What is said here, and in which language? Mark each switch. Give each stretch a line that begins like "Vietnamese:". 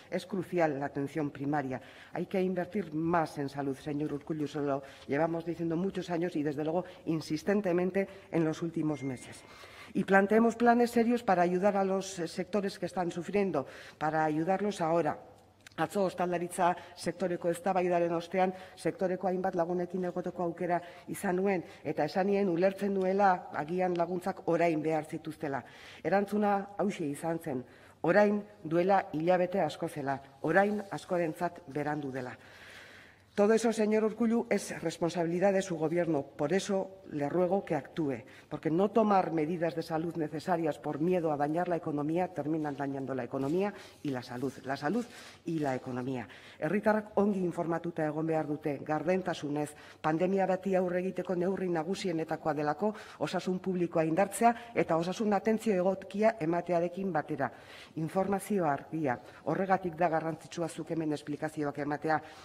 Spanish: Es crucial la atención primaria. Hay que invertir más en salud, señor Urkullu, eso lo llevamos diciendo muchos años y, desde luego, insistentemente en los últimos meses. Y planteemos planes serios para ayudar a los sectores que están sufriendo, para ayudarlos ahora.
Basque: Atzo ostalaritza sektoreko eztabaidaren ostean, sektoreko hainbat lagunekin egoteko aukera izan nuen, eta esanien ulertzen nuela agian laguntzak orain behar zituztela. Erantzuna hauxe izan zen, orain duela hilabete asko zela, orain askorentzat berandu dela.
Spanish: Todo eso, señor Urkullu, es responsabilidad de su gobierno. Por eso le ruego que actúe, porque no tomar medidas de salud necesarias por miedo a dañar la economía terminan dañando la economía y la salud. La salud y la economía.
Basque: Herritarrak ongi informatuta egon behar dute, gardentasunez, pandemia bati aurre egiteko neurri nagusienetakoa delako, osasun publikoa indartzea eta osasun atentzio egokia ematearekin batera. Informazio argia, horregatik da garrantzitsua zuk hemen esplikazioak ematea.